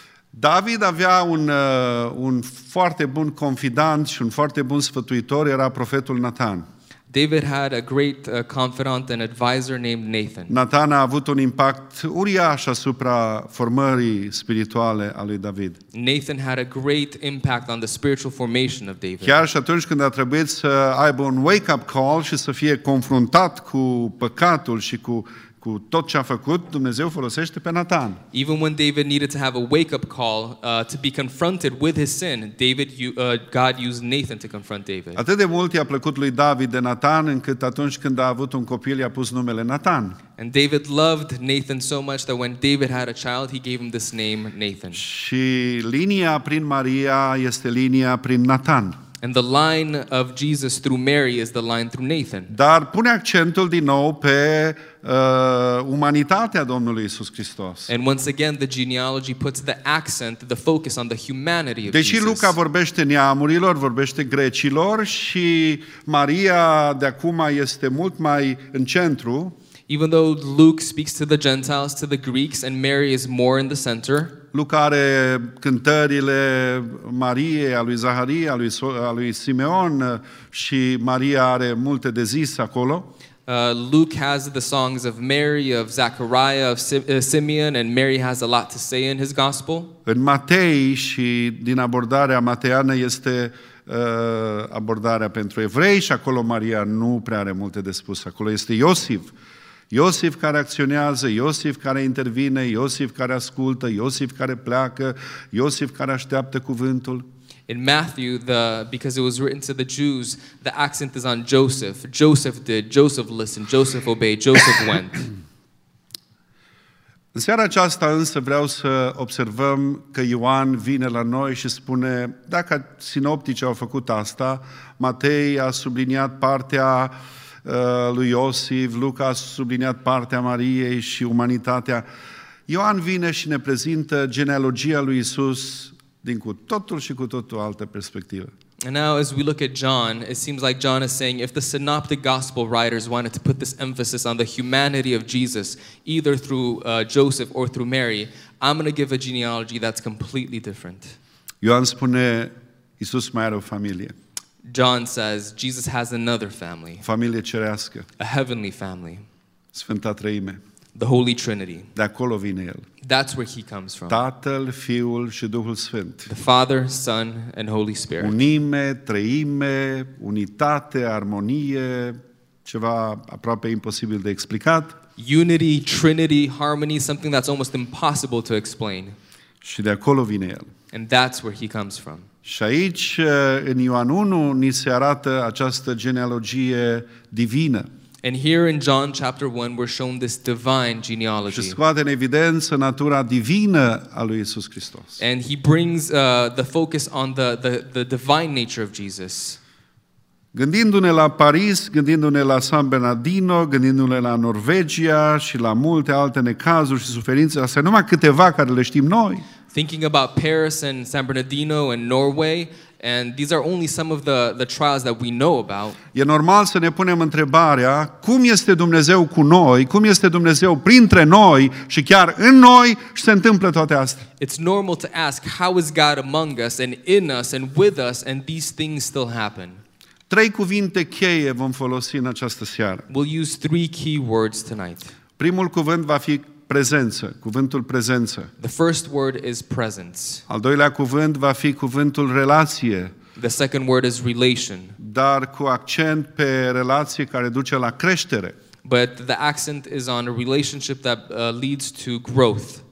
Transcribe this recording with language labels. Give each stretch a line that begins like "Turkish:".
Romanian: David avea un foarte bun confidant și un foarte bun sfătuitor, era profetul Nathan.
English: David had a great confidant and advisor named Nathan.
Romanian: Nathan a avut un impact uriaș asupra formării spirituale a lui David.
English: Nathan had a great impact on the spiritual formation of David.
Romanian: Chiar și atunci când a trebuit să aibă un
English: wake-up call
Romanian: și să fie confruntat cu păcatul și cu tot ce a făcut, Dumnezeu folosește pe Nathan.
English: Even when David needed to have a wake-up call to be confronted with his sin, God used Nathan to confront David.
Romanian: Atât de mult i-a plăcut lui David de Nathan, încât atunci când a avut un copil, i-a pus numele Nathan.
English: And David loved Nathan so much that when David had a child, he gave him this name, Nathan.
Romanian: Și linia prin Maria este linia prin Nathan.
English: And the line of Jesus through Mary is the line through Nathan.
Romanian: Dar pune accentul din nou pe umanitatea Domnului Iisus Hristos.
English: And once again the genealogy puts the accent, the focus on the humanity of Jesus.
Romanian: Deși Luca vorbește neamurilor, vorbește grecilor și Maria de acum este mult mai în centru.
English: Even though Luke speaks to the Gentiles, to the Greeks, and Mary is more in the center.
Romanian: Luca are cântările Marie, a lui Zaharia, a lui Simeon, și Maria are multe de zis acolo.
English: Luke has the songs of Mary, of Zachariah, of Simeon, and Mary has a lot to say in his gospel.
Romanian: În Matei și din abordarea mateană este abordarea pentru evrei și acolo Maria nu prea are multe de spus. Acolo este Iosif. Iosif care acționează, Iosif care intervine, Iosif care ascultă, Iosif care pleacă, Iosif care așteaptă cuvântul.
English: In Matthew, because it was written to the Jews, the accent is on Joseph. Joseph did, Joseph listened, Joseph obeyed, Joseph went.
Romanian: În seara aceasta însă vreau să observăm că Ioan vine la noi și spune, dacă sinoptici au făcut asta, Matei a subliniat partea lui Iosif, Luca a subliniat partea Mariei și umanitatea. Ioan vine și ne prezintă genealogia lui Iisus din cu totul și cu totul altă perspectivă.
English: And now as we look at John, it seems like John is saying if the synoptic gospel writers wanted to put this emphasis on the humanity of Jesus either through Joseph or through Mary, I'm going to give a genealogy that's completely different.
Romanian: Ioan spune Iisus mai are o familie.
English: John says Jesus has another family.
Romanian: Familie cerească.
English: A heavenly family.
Romanian: Sfânta Treime.
English: The Holy Trinity.
Romanian: De acolo vine el.
English: That's where he comes from.
Romanian: Tatăl, Fiul și Duhul Sfânt.
English: The Father, Son and Holy Spirit.
Romanian: Unime, treime, unitate, armonie, ceva aproape imposibil de explicat.
English: Unity, Trinity, harmony, something that's almost impossible to explain.
Romanian: Și de acolo vine el.
English: And that's where he comes from.
Romanian: Și aici, în Ioan 1, ni se arată această genealogie divină.
English: And here in John chapter 1, we're shown this divine genealogy.
Romanian: Și scoate în evidență natura divină a lui Iisus Hristos.
English: And he brings the focus on the divine nature of Jesus.
Romanian: Gândindu-ne la Paris, gândindu-ne la San Bernardino, gândindu-ne la Norvegia și la multe alte necazuri și suferințe, astea numai câteva care le știm noi.
English: Thinking about Paris and San Bernardino and Norway, and these are only some of the trials that we know about.
Romanian: E normal să ne punem întrebarea, cum este Dumnezeu cu noi, cum este Dumnezeu printre noi și chiar în noi și se întâmplă toate astea.
English: It's normal to ask, how is God among us and in us and with us and these things still happen?
Romanian: Trei cuvinte cheie vom folosi în această seară.
English: We'll use three key words tonight.
Romanian: Primul cuvânt va fi prezență, cuvântul prezență.
English: The first word is presence.
Romanian: Al doilea cuvânt va fi cuvântul relație.
English: The second word is relation.
Romanian: Dar cu accent pe relație care duce la creștere.
English: But the accent is on a relationship that leads to growth.